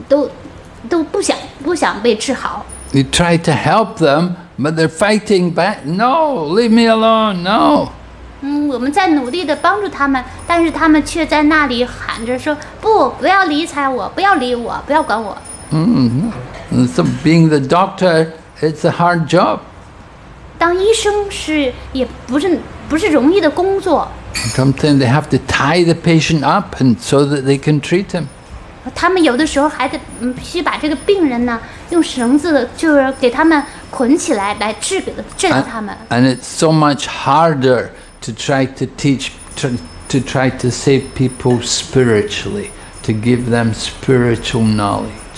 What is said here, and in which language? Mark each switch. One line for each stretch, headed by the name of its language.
Chinese: 他说，大部分病人来看病的时候啊，他们都想打医生，他们就都不想被治好。
English: You try to help them, but they're fighting back. No, leave me alone, no.
Chinese: 我们在努力地帮助他们，但是他们却在那里喊着说，不要理睬我，不要理我，不要管我。
English: So being the doctor, it's a hard job.
Chinese: 当医生也不是容易的工作。
English: Sometimes they have to tie the patient up and so that they can treat him.
Chinese: 他们有的时候还得必须把这个病人呢用绳子就是给他们捆起来来治他们。And
English: it's so much harder to try to teach to try to save people spiritually, to give them spiritual knowledge.